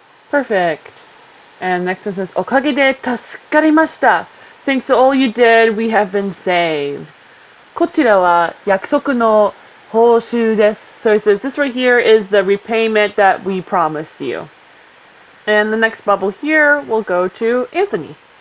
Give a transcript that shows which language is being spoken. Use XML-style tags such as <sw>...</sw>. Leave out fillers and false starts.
<en>Perfect. And next one says,</en> <ja>"Okagede tasukarimashita.</ja> <en>Thanks to all you did, we have been saved."</en> <ja>こちらは約束の報酬です。</ja> <en>So it says, "This right here is the repayment that we promised you." And the next bubble here will go to Anthony.</en>